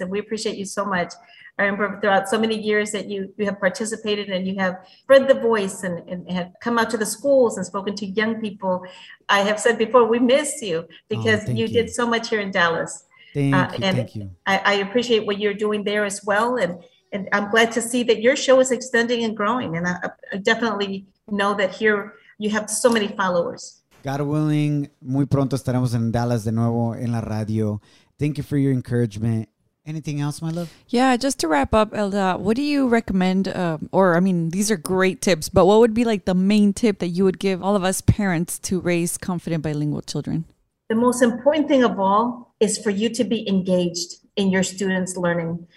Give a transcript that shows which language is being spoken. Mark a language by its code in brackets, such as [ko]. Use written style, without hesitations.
[en] And we appreciate you so much. I remember throughout so many years that you have participated and you have spread the voice and have come out to the schools and spoken to young people. I have said before, we miss you because you did so much here in Dallas. Thank you. I appreciate what you're doing there as well. And I'm glad to see that your show is extending and growing. And I definitely know that here you have so many followers. God willing, [es] muy pronto estaremos en Dallas de nuevo en la radio. [en] Thank you for your encouragement. Anything else, my love? Yeah, just to wrap up, Elda, what do you recommend? These are great tips, but what would be like the main tip that you would give all of us parents to raise confident bilingual children? The most important thing of all is for you to be engaged in your students' learning.